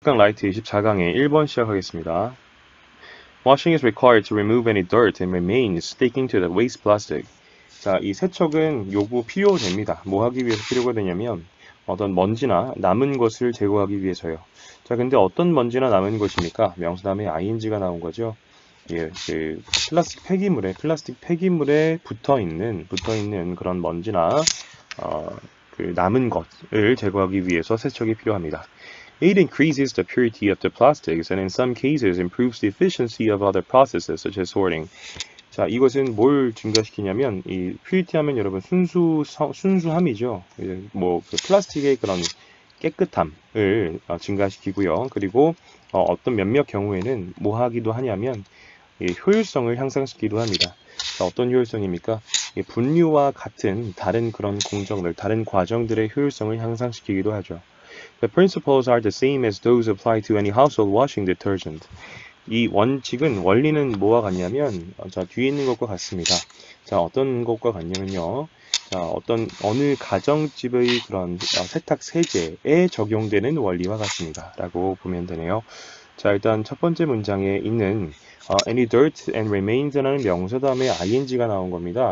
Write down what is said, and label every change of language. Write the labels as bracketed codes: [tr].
[ko] 수능특강 라이트 24강의 1번 시작하겠습니다. [en] Washing is required to remove any dirt and remains sticking to the waste plastic. [ko] 자, 이 세척은 요구 필요됩니다. 뭐 하기 위해서 필요가 되냐면 어떤 먼지나 남은 것을 제거하기 위해서요. 자, 근데 어떤 먼지나 남은 것입니까? 명사 다음에 ing가 나온 거죠. 예, 그 플라스틱 폐기물에 붙어 있는 그런 먼지나 그 남은 것을 제거하기 위해서 세척이 필요합니다. [en] It increases the purity of the plastics and in some cases improves the efficiency of other processes such as sorting. [ko] 자, 이것은 뭘 증가시키냐면 이 퓨리티 하면 여러분 순수함이죠. 뭐그 플라스틱의 그런 깨끗함을 증가시키고요. 그리고 어떤 몇몇 경우에는 뭐 하기도 하냐면 이 효율성을 향상시키기도 합니다. 자, 어떤 효율성입니까? 이 분류와 같은 다른 그런 공정들, 다른 과정들의 효율성을 향상시키기도 하죠. [en] The principles are the same as those applied to any household washing detergent. [ko] 이 원칙은, 원리는 뭐와 같냐면, 자, 뒤에 있는 것과 같습니다. 자, 어떤 것과 같냐면요. 자, 어느 가정집의 그런 세탁 세제에 적용되는 원리와 같습니다. 라고 보면 되네요. 자, 일단 첫 번째 문장에 있는 [en] any dirt and remains [ko] 라는 명사 다음에 ing가 나온 겁니다.